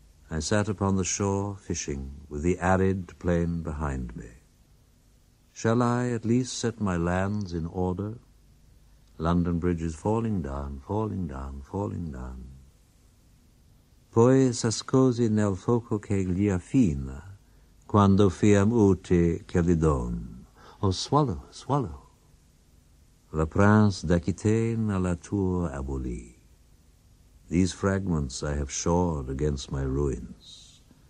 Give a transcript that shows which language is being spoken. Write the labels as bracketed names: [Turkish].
[English] I sat upon the shore fishing with the arid plain behind me. Shall I at least set my lands in order? London Bridge is falling down, falling down, falling down. [Italian] Poi s'ascosi nel fuoco che gli affina, [Latin] quando fiam uti che li don. [English] Oh, swallow, swallow. [French] Le prince d'Aquitaine à la tour aboli. [English] These fragments I have shored against my ruins.